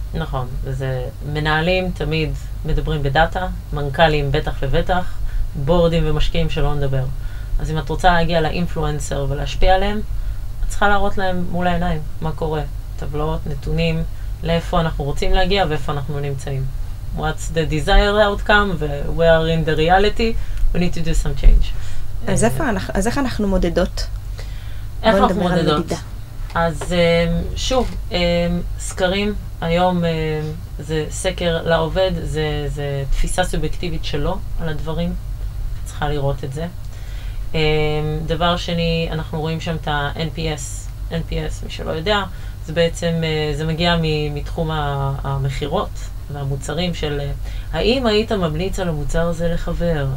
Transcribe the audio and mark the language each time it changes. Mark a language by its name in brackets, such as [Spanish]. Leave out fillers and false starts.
[Hebrew] נכון, וזה מנהלים תמיד מדברים בדאטה, מנכלים בטח לבטח, בורדים ומשקיעים שלא נדבר. אז אם את רוצה להגיע לאינפלואנסר ולהשפיע עליהם, צריכה להראות להם מול העיניים מה קורה, טבלות, נתונים, לאיפה אנחנו רוצים להגיע ואיפה אנחנו נמצאים. [English] What's the desired outcome where are in the reality? We need to do some change. [Hebrew] אז איך אנחנו מודדות? איך אנחנו מודדות? אז שוב, סקרים, היום זה סקר לעובד, זה תפיסה סובייקטיבית שלו על הדברים. צריכה לראות את זה. דבר שני, אנחנו רואים שם את ה-NPS. NPS, מי שלא יודע, זה בעצם, זה מגיע מתחום המחירות והמוצרים של האם היית ממליץ על המוצר הזה לחבר?